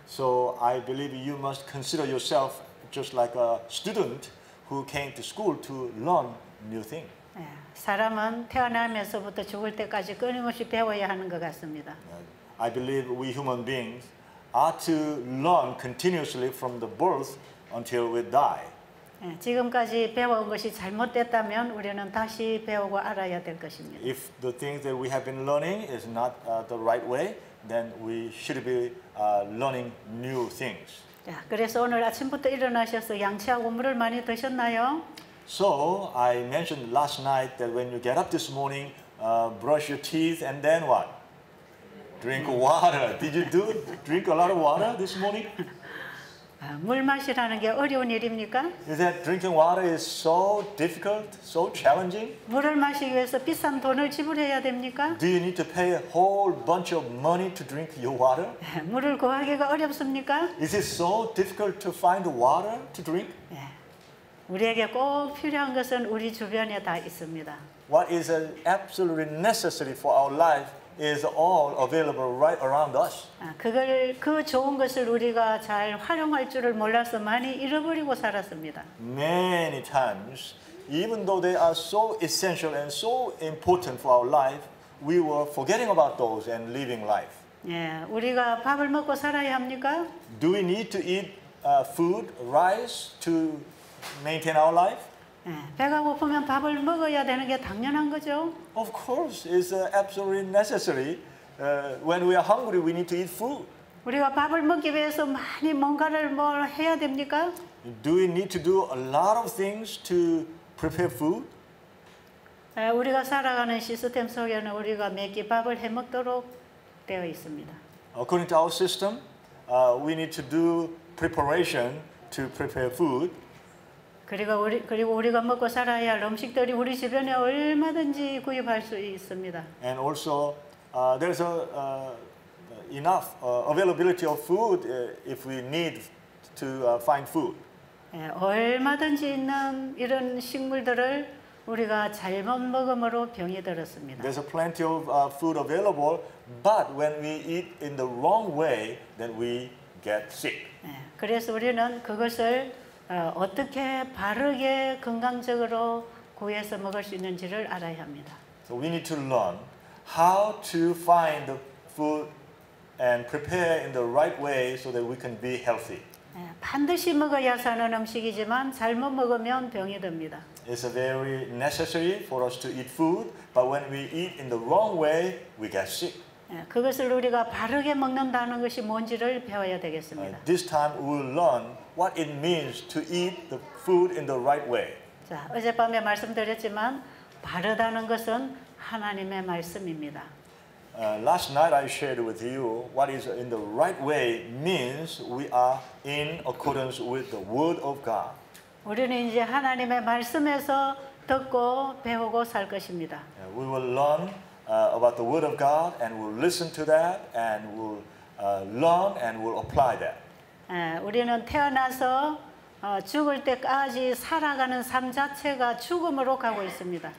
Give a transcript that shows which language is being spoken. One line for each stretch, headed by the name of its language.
English: So I believe you must consider yourself just like a student who came to school to learn new things.
Korean: 사람은 태어나면서부터 죽을 때까지 끊임없이 배워야 하는 것 같습니다.
English: I believe we human beings are to learn continuously from the birth until we die.
Korean: 지금까지 배워온 것이 잘못됐다면 우리는 다시 배우고 알아야 될 것입니다.
English: If the things that we have been learning is not the right way, then we should be learning new things.
Korean: 그래서 오늘 아침부터 일어나셔서 양치하고 물을 많이 드셨나요?
English: So I mentioned last night that when you get up this morning, brush your teeth and then what? Drink water. Did you drink a lot of water this morning?
Korean: 물 마시라는 게 어려운 일입니까?
English: Is that drinking water is so difficult, so challenging?
Korean: 물을 마시기 위해서 비싼 돈을 지불해야 됩니까?
English: Do you need to pay a whole bunch of money to drink your water?
Korean: 물을 구하기가 어렵습니까?
English: Is it so difficult to find water to drink?
Korean: 우리에게 꼭 필요한 것은 우리 주변에 다 있습니다.
English: What is absolutely necessary for our life is all available right around us.
Korean: 그 좋은 것을 우리가 잘 활용할 줄을 몰라서 많이 잃어버리고 살았습니다.
English: Many times, even though they are so essential and so important for our life, we were forgetting about those and living life.
Korean: 우리가 밥을 먹고 살아야 합니까?
English: Do we need to eat food, rice to maintain our life?
Korean: 배가 고프면 밥을 먹어야 되는 게 당연한 거죠.
English: Of course, it's absolutely necessary. When we are hungry, we need to eat food.
Korean: 우리가 밥을 먹기 위해서 많이 뭔가를 뭘 해야 됩니까?
English: Do we need to do a lot of things to prepare food?
Korean: 우리가 살아가는 시스템 속에는 우리가 매끼 밥을 해 먹도록 되어 있습니다.
English: According to our system, we need to do preparation to prepare food.
Korean: 그리고 우리가 먹고 살아야 할 음식들이 우리 주변에 얼마든지 구입할 수 있습니다.
English: And also, there's enough availability of food if we need to find food.
Korean: 얼마든지 있는 이런 식물들을 우리가 잘못 먹음으로 병이 들었습니다.
English: There's plenty of food available, but when we eat in the wrong way, then we get sick.
Korean: 그래서 우리는 그것을 어떻게 바르게 건강적으로 구해서 먹을 수 있는지를 알아야 합니다.
English: So we need to learn how to find the food and prepare in the right way so that we can be healthy.
Korean: 반드시 먹어야 사는 음식이지만 잘못 먹으면 병이 듭니다.
English: It's very necessary for us to eat food, but when we eat in the wrong way, we get sick.
Korean: 그것을 우리가 바르게 먹는다는 것이 뭔지를 배워야 되겠습니다.
English: This time we'll learn what it means to eat the food in the right way.
Korean: 자, 어젯밤에 말씀드렸지만 바르다는 것은 하나님의 말씀입니다.
English: Last night I shared with you what is in the right way means we are in accordance with the word of God.
Korean: 우리는 이제 하나님의 말씀에서 듣고 배우고 살 것입니다.
English: We will learn about the word of God and we'll listen to that and we'll learn and we'll apply that.
Korean: 우리는 태어나서 죽을 때까지 살아가는 삶 자체가 죽음으로 가고 있습니다.